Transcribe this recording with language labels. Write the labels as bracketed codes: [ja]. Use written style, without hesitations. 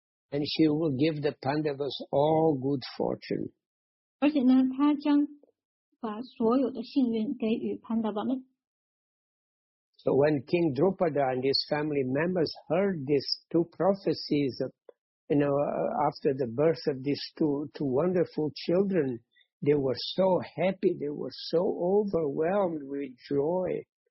[en] And she will give the Pandavas all good fortune. [zh] 而且呢，她将把所有的幸运给予潘达巴们。 [en] So when King Drupada and his family members heard these two prophecies of after the birth of these two wonderful children, they were so happy, they were so overwhelmed with joy.